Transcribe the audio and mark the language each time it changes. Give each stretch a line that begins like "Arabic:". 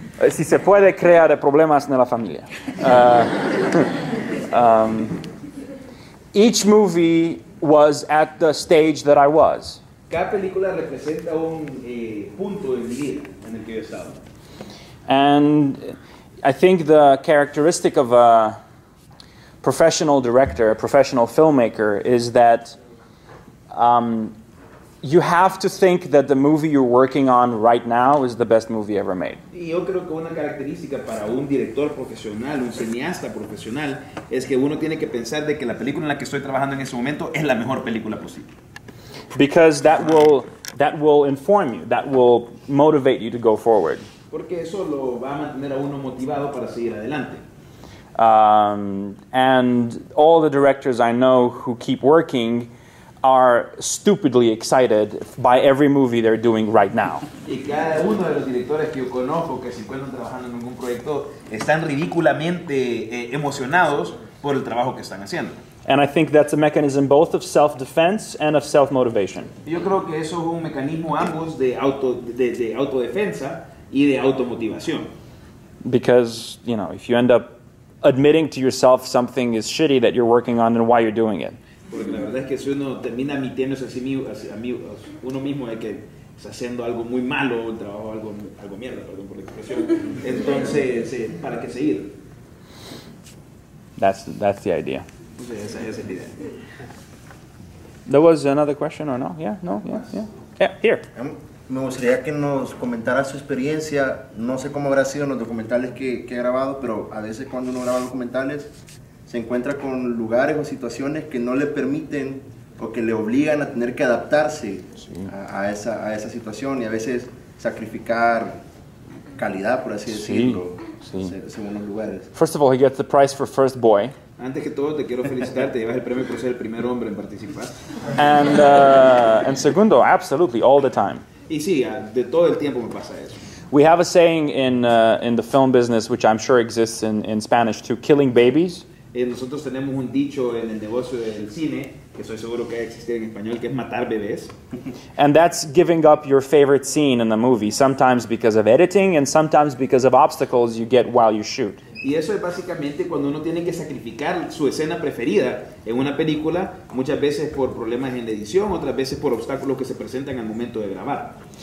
Spanish: Si se puede, crear problemas en la familia.
English: Each movie was at the stage that I was.
Spanish: Cada película representa un punto en mi vida en el que yo estaba.
English: And I think the characteristic of a professional director, a professional filmmaker, is that you have to think that the movie you're working on right now is the best movie ever made.
Spanish: Y yo creo que una característica para un director profesional, un cineasta profesional, es que uno tiene que pensar de que la película en la que estoy trabajando en ese momento es la mejor película posible.
English: Because that will inform you, that will motivate you to go forward.
Spanish: Porque eso lo va a mantener a uno motivado para seguir adelante.
English: And all the directors I know who keep working are stupidly excited by every movie they're doing right now.
Spanish: Y cada uno de los directores que yo conozco que se encuentran trabajando en algún proyecto están ridículamente emocionados por el trabajo que están haciendo.
English: And I think that's a mechanism both of self-defense and of self-motivation.
Spanish: Yo creo que eso es un mecanismo ambos de auto de autodefensa y de automotivación.
English: Because, you know, if you end up admitting to yourself something is shitty that you're working on, then why you're doing it.
Spanish: Porque la verdad es que si uno termina admitiéndose a uno mismo de que está haciendo algo muy malo, un trabajo algo mierda, perdón por la expresión, entonces, ¿para qué seguir?
English: That's the idea.
Spanish: Esa idea.
English: There was another question or no? Yeah, no, yeah, yeah. Yeah, here.
Spanish: Me gustaría que nos comentara su experiencia. No sé cómo habrá sido en los documentales que he grabado, pero a veces cuando uno graba documentales se encuentra con lugares o situaciones que no le permiten o que le obligan a tener que adaptarse a esa situación y a veces sacrificar calidad, por así decirlo, según los lugares.
English: First of all, he gets the prize for first boy.
Spanish: Antes que todo, te quiero felicitar, te llevas el premio por ser el primer hombre en participar.
English: And segundo, absolutely, all the time.
Spanish: Y sí, de todo el tiempo me pasa eso.
English: We have a saying in the film business, which I'm sure exists in Spanish too, killing babies.
Spanish: Nosotros tenemos un dicho en el negocio del cine, que estoy seguro que existe en español, que es matar bebés.
English: And that's giving up your favorite scene in the movie, sometimes because of editing and sometimes because of obstacles you get while you shoot.
Spanish: Y eso es básicamente cuando uno tiene que sacrificar su escena preferida en una película, muchas veces por problemas en la edición, otras veces por obstáculos que se presentan al momento de grabar.